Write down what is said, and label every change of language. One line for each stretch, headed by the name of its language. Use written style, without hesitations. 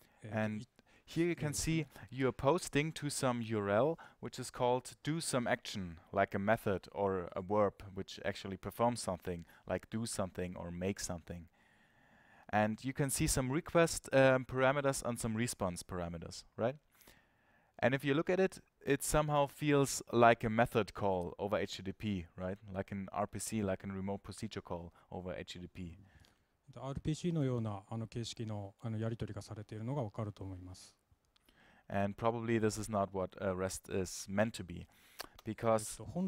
English: And here you can see you're posting to some URL, which is called do some action, like a method or a verb, which actually performs something, like do something or make something. And you can see some request parameters and some response parameters, right? And if you look at it, it somehow feels like a method call over HTTP, right? Like an RPC, like a remote procedure call over HTTP.
Japanese: RPC のような形式のやり取りがされているのがわかると思います.
English: And probably this is not what REST is meant to be, because